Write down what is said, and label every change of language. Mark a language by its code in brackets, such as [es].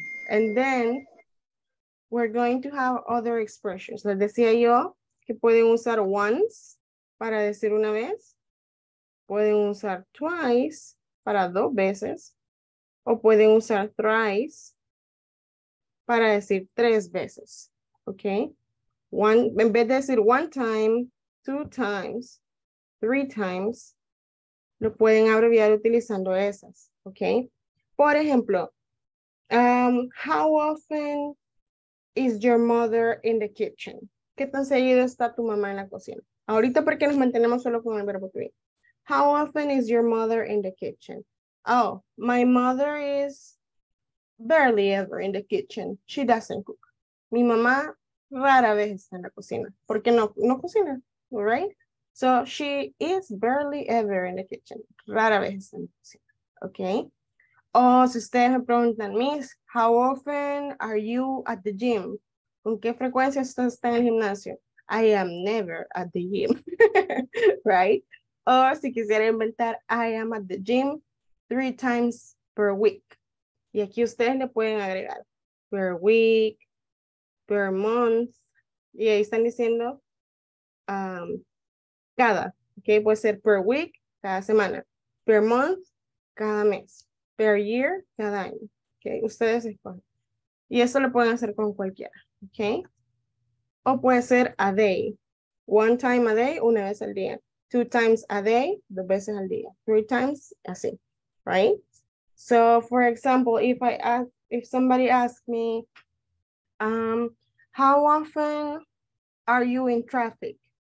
[en] And then, we're going to have other expressions. [es] Les decía yo que pueden usar once para decir una vez. Pueden usar twice para dos veces. O pueden usar thrice para decir tres veces. Okay. En vez de decir [en] one time, two times, three times, [es] lo pueden abreviar utilizando esas, ¿ok? Por ejemplo, [en] how often is your mother in the kitchen? [es] ¿Qué tan seguido está tu mamá en la cocina? Ahorita porque nos mantenemos solo con el verbo to be. [en] How often is your mother in the kitchen? Oh, my mother is barely ever in the kitchen. She doesn't cook. [es] Mi mamá rara vez está en la cocina porque no cocina, [en] all right? So, she is barely ever in the kitchen. [es] Rara vez en la cocina. [en] Okay. Oh, [es] si ustedes me preguntan, [en] Miss, how often are you at the gym? [es] ¿Con qué frecuencia usted está en el gimnasio? [en] I am never at the gym, right? [es] O si quisiera inventar, [en] I am at the gym 3 times per week. [es] Y aquí ustedes le pueden agregar [en] per week, per month. [es] Y ahí están diciendo cada, ¿ok? Puede ser [en] per week, [es] cada semana. [en] Per month, [es] cada mes. [en] Per year, [es] cada año. ¿Ok? Ustedes escogen. Y eso lo pueden hacer con cualquiera, ¿ok? O puede ser [en] a day. One time a day, [es] una vez al día. [en] 2 times a day, [es] 2 veces al día. [en] 3 times, [es] así. [en] Right? So, for example, if I ask, if somebody asks me, how often are you in traffic?